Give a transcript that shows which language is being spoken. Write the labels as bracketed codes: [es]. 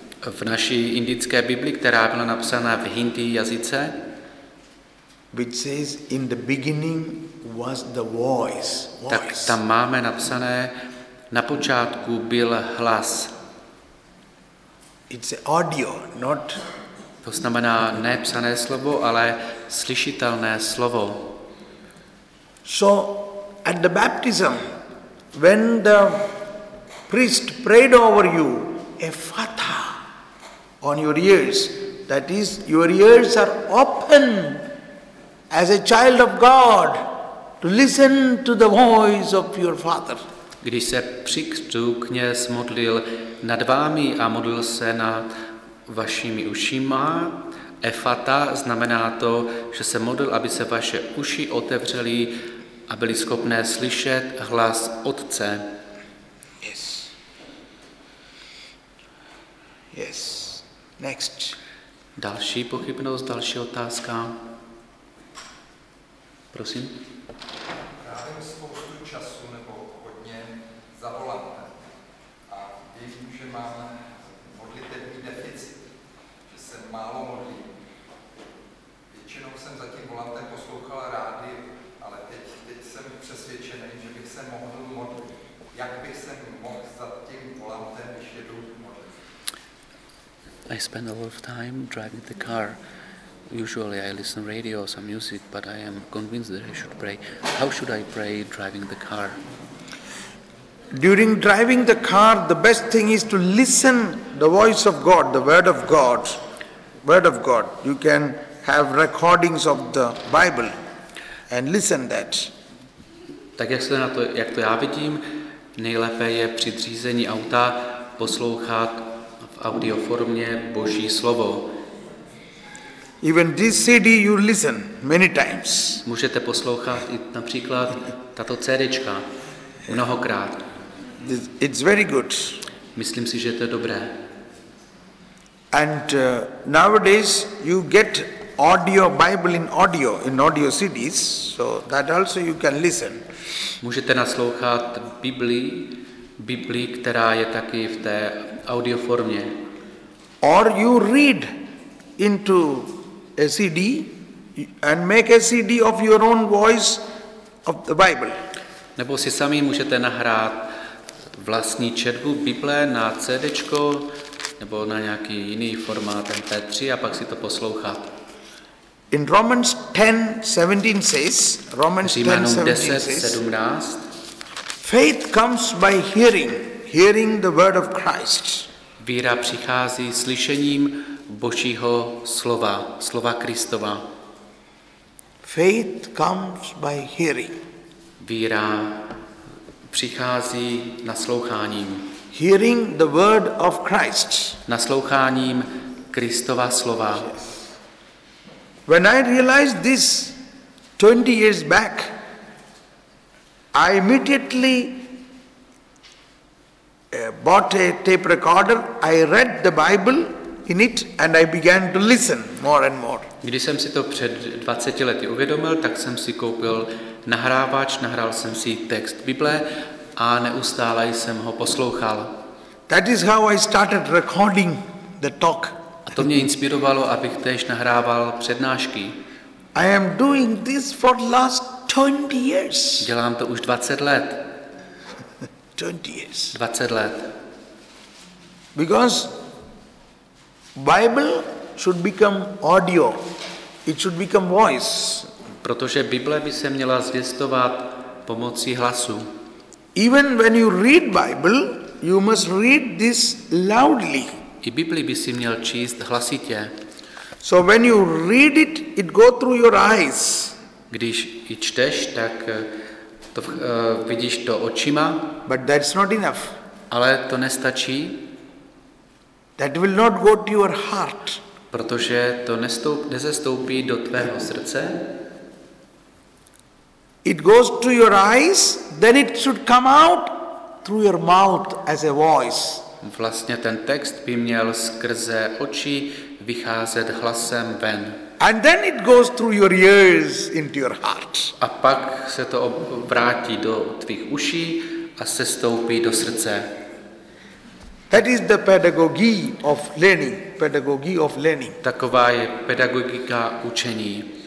[cs] v naší indické Biblii, která byla napsána v hindi jazyce, [en] which says in the beginning was the voice. [cs] Tak tam máme napsané na počátku byl hlas. [en] It's audio, not. [cs] To znamená ne psané slovo, ale slyšitelné slovo. [en] So at the baptism, when the priest prayed over you, a fatha on your ears, that is, your ears are open as a child of God to listen to the voice of your father. [cs] Když se při křtu kněz modlil nad vámi a modlil se na vašimi ušima, efata znamená to, že se modlil, aby se vaše uši otevřely a byly schopné slyšet hlas Otce. [en] Yes. Yes. Next. [cs] Další pochybnost, další otázka. Prosím. Právě spoustu času nebo hodně zavoláte. A vím, že mám modlitevní deficit, že se málo modlím. Většinou jsem zatím volante poslouchal rádi, ale teď jsem přesvědčený, že bych se mohl modlit. Jak bych se mohl za tím volantem, když jedu? [en] I spend a lot of time driving the car. Usually I listen radio or some music, but I am convinced that I should pray. How should I pray driving the car? During driving the car, the best thing is to listen the voice of God, the word of God. Word of God. You can have recordings of the Bible and listen that. [cs] Tak jak se na to, jak to já vidím, nejlépe je při řízení auta poslouchat audio formě Boží slovo. [en] Even this CD you listen many times. [cs] Můžete poslouchat i například tato CDčka mnohokrát. [en] It's very good. [cs] Myslím si, že to je dobré. [en] And nowadays you get audio Bible in audio CDs, so that also you can listen. [cs] Můžete naslouchat Biblii, která je taky v té audio formě. [en] Or you read into a CD and make a CD of your own voice of the Bible. [cs] Nebo si sami můžete nahrát vlastní četbu Bible na CDčko nebo na nějaký jiný formát MP3 a pak si to poslouchat. [en] In Romans 10:17 says, Romans 10:17, faith comes by hearing, hearing the word of Christ. [cs] Víra přichází slyšením Božího slova, slova Kristova. [en] Faith comes by hearing. [cs] Víra přichází nasloucháním. [en] Hearing the word of Christ. [cs] Nasloucháním Kristova slova. [en] When I realized this 20 years back, I immediately bought a tape recorder. I read the Bible in it and I began to listen more and more. [cs] Když jsem si to před 20 lety uvědomil, tak jsem si koupil nahrávač, nahrál jsem si text Bible a neustále jsem ho poslouchal. [en] That is how I started recording the talk. [cs] A to mě inspirovalo, abych též nahrával přednášky. [en] I am doing this for last 20 years. [cs] Dělám to už 20 let. [en] 20 years. [cs] 20 let. [en] Because Bible should become audio. It should become voice. [cs] Protože Bible by se měla zvěstovat pomocí hlasu. [en] Even when you read Bible, you must read this loudly. [cs] I Bibli by si měl číst hlasitě. [en] So when you read it, it go through your eyes. [cs] Když ji čteš, tak to vidíš to očima. [en] But that's not enough. [cs] Ale to nestačí. [en] That will not go to your heart. [cs] Protože to nezestoupí do tvého srdce. [en] It goes to your eyes, then it should come out through your mouth as a voice. [cs] Vlastně ten text by měl skrze oči vycházet hlasem ven. [en] And then it goes through your ears into your heart. [cs] A pak se to vrátí do tvých uší a sestoupí do srdce. [en] That is the pedagogy of learning, pedagogy of learning. [cs] Taková je pedagogika učení.